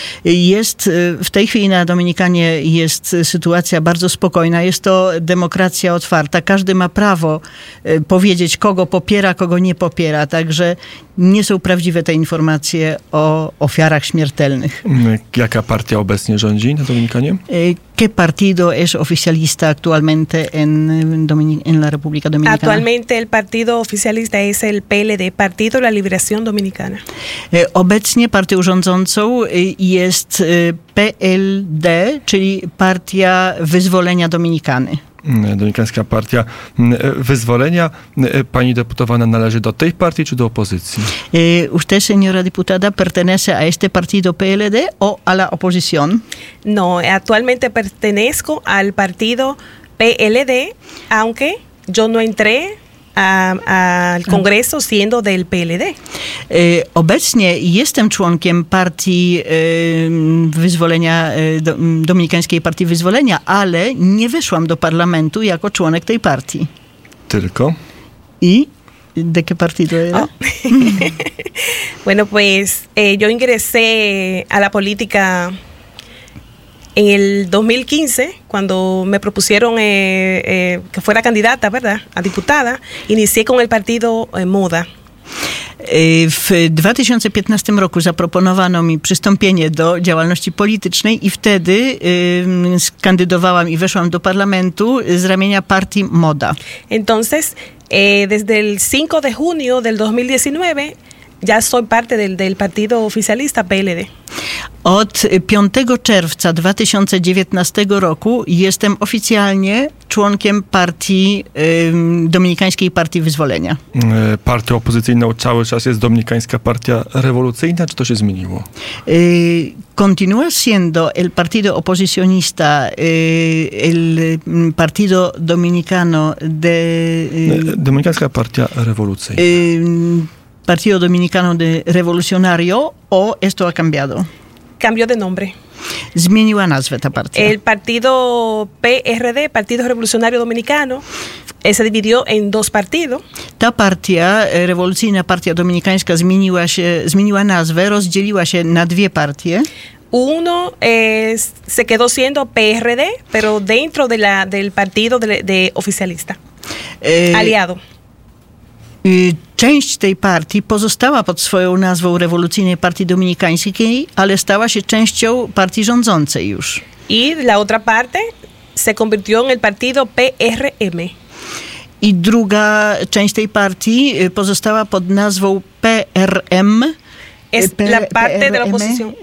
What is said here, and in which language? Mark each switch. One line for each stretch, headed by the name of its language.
Polish: Jest w tej chwili na Dominikanie jest sytuacja bardzo spokojna. Jest to demokracja otwarta. Każdy ma prawo powiedzieć, kogo popiera, kogo nie popiera. Także nie są prawdziwe te informacje o ofiarach śmiertelnych. Jaka partia obecnie rządzi na Dominikanie?
Spanish: ¿Qué partido es oficialista actualmente en la República Dominicana? Actualmente el partido oficialista es el PLD, Partido de la Liberación Dominicana.
Polish: Obecnie partią rządzącą jest PLD, czyli Partia Wyzwolenia Dominikany. Dominikańska Partia Wyzwolenia. Pani deputowana należy do tej partii czy do opozycji?
Spanish: Usted, señora diputada, pertenece a este partido PLD o a la oposición? No, actualmente pertenezco al partido PLD, aunque yo no entré al Kongresu, siendo del PLD?
Polish: Obecnie jestem członkiem partii wyzwolenia, Dominikańskiej Partii Wyzwolenia, ale nie weszłam do parlamentu jako członek tej partii. Tylko?
Spanish: I de qué partido era? Oh. Bueno, pues yo ingresé a la política en el 2015, cuando me propusieron que fuera candidata, ¿verdad?, a diputada. Inicié con el partido MODA.
Polish: W 2015 roku zaproponowano mi przystąpienie do działalności politycznej i wtedy skandydowałam i weszłam do parlamentu z ramienia partii MODA.
Spanish: Entonces, desde el 5 de junio del 2019 ya soy parte del partido oficialista PLD.
Polish: Od 5 czerwca 2019 roku jestem oficjalnie członkiem partii, Dominikańskiej Partii Wyzwolenia. Partią opozycyjną cały czas jest Dominikańska Partia Rewolucyjna, czy to się zmieniło?
Spanish: Continúa siendo el partido oposicionista, el partido dominicano de...
Polish: Dominikańska Partia Rewolucyjna.
Spanish: Partido Dominicano de Revolucionario, o esto ha cambiado? Cambió de nombre.
Polish: Zmieniła nazwę ta partia.
Spanish: El partido PRD, Partido Revolucionario Dominicano, se dividió en dos partidos.
Polish: Ta partia, rewolucyjna partia dominikańska, zmieniła nazwę, rozdzieliła się na dwie partie.
Spanish: Uno se quedó siendo PRD, pero dentro de del partido de oficialista, aliado.
Polish: Część tej partii pozostała pod swoją nazwą Rewolucyjnej Partii Dominikańskiej, ale stała się częścią partii rządzącej już.
Spanish: I la otra parte se convirtió en el partido PRM.
Polish: I druga część tej partii pozostała pod nazwą PRM.
Spanish: Es la parte de la oposición.